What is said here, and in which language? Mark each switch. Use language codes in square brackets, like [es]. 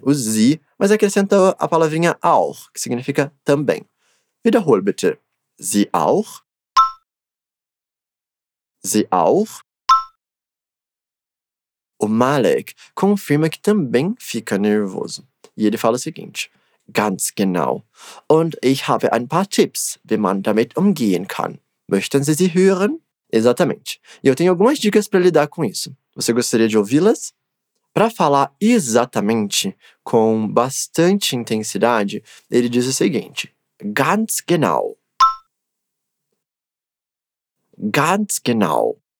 [pt] O Sie, mas acrescenta a palavrinha auch, que significa também. [de] Wiederhol bitte. Sie auch? Sie auch? [pt] O Malek confirma que também fica nervoso. E ele fala o seguinte: [de] ganz genau. Und ich habe ein paar Tipps, wie man damit umgehen kann. Möchten Sie sie hören? [pt] Exatamente. E eu tenho algumas dicas para lidar com isso. Você gostaria de ouvi-las? Para falar exatamente, com bastante intensidade, ele diz o seguinte: [de] ganz genau. Ganz genau.